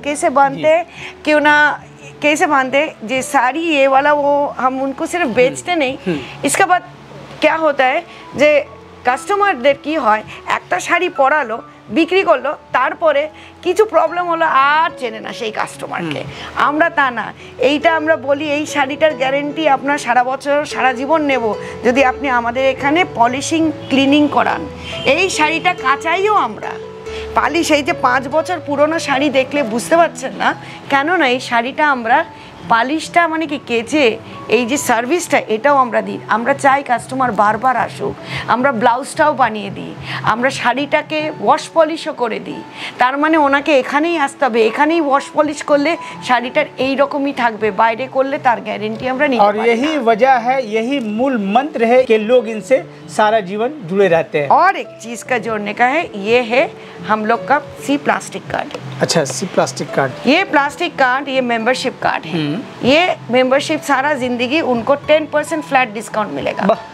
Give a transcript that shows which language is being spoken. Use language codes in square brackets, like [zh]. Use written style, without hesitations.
[hi] कैसे बांधते क्यों ना, कैसे बांधते जो साड़ी ये वाला, वो हम उनको सिर्फ बेचते नहीं, इसके बाद क्या होता है जे [bn] কাস্টমারদের কি হয়, একটা শাড়ি পরালো, বিক্রি করলো, তারপরে কিছু প্রবলেম হলো আর চেনে না সেই কাস্টমারকে। আমরা তা না, এইটা আমরা বলি এই শাড়িটার গ্যারেন্টি আপনার সারা বছর সারা জীবন নেব যদি আপনি আমাদের এখানে পলিশিং ক্লিনিং করান। এই শাড়িটা কাচাইও আমরা পালিশ, এই যে 5 বছর পুরনো শাড়ি দেখলে বুঝতে পারছেন না, কেননা এই শাড়িটা আমরা পালিশটা মানে কি কেচে এই যে সার্ভিসটা এটাও আমরা দিই। আমরা চাই কাস্টমার বারবার আসুক, আমরা ব্লাউজটাও বানিয়ে দিই, আমরা শাড়িটাকে ওয়াশ পলিশও করে দিই, তার মানে ওনাকে এখানেই আসতে হবে, এখানেই ওয়াশ পলিশ করলে শাড়িটার এই রকমই থাকবে, বাইরে করলে তার গ্যারেন্টি আমরা নিই। আর এই [hi] वजह है, यही मूल मंत्र है कि लोग इनसे सारा जीवन जुड़े रहते हैं। और एक चीज का जोड़ने का है, ये है हम लोग का सी प्लास्टिक कार्ड। अच्छा, सी प्लास्टिक कार्ड। ये प्लास्टिक कार्ड, ये मेंबरशिप कार्ड है, ये मेंबरशिप सारा जिंदगी उनको 10% फ्लैट डिस्काउंट मिलेगा।